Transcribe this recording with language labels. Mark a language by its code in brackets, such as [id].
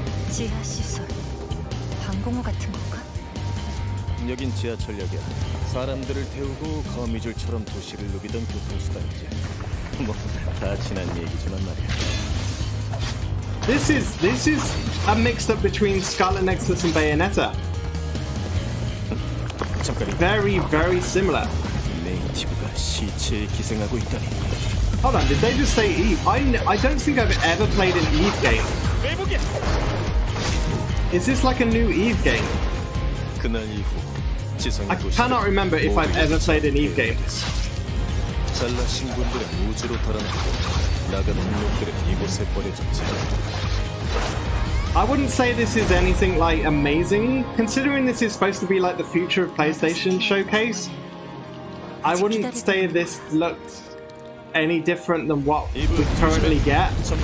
[ko] 지하 시설 방공호 같은 건가? 여긴 지하철역이야. 사람들을 태우고 거미줄처럼 도시를 누비던 교통수단이지. 뭐 다 지난 얘기지만 말이야. [en] This is a mixed up between Scarlet Nexus and Bayonetta. [ko] 잠깐. [en] Very very similar. [ko] 네이티브가 시체에 기생하고 있다니. [en] Hold on, did they just say Eve? I don't think I've ever played an Eve game. Is this like a new Eve game? [ko] 그날 이후. [en] I cannot remember if I've ever played an Eve game. [ko] 잘나신 분들은 우주로 달아나고 나가는 놈들은 이곳에 버려졌지. [en] I wouldn't say this is anything like amazing, considering this is supposed to be like the future of PlayStation showcase. I wouldn't say this looked any different than what we currently get.